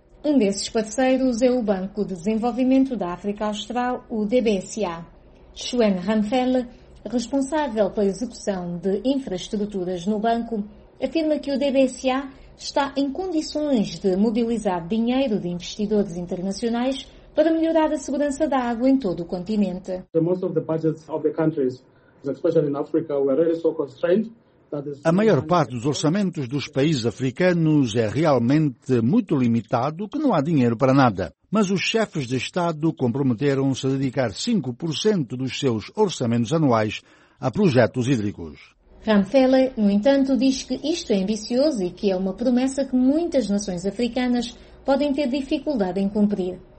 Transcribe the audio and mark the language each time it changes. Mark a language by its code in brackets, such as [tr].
[pt] Um desses parceiros é o Banco de Desenvolvimento da África Austral, o DBSA. Chuen Ramfell, responsável pela execução de infraestruturas no banco, afirma que o DBSA está em condições de mobilizar dinheiro de investidores internacionais para melhorar a segurança da água em todo o continente. [en] Most of the budgets of the countries, especially in Africa, were really so constrained. [pt] A maior parte dos orçamentos dos países africanos é realmente muito limitado, que não há dinheiro para nada. Mas os chefes de Estado comprometeram-se a dedicar 5% dos seus orçamentos anuais a projetos hídricos. Ramfele, no entanto, diz que isto é ambicioso e que é uma promessa que muitas nações africanas podem ter dificuldade em cumprir.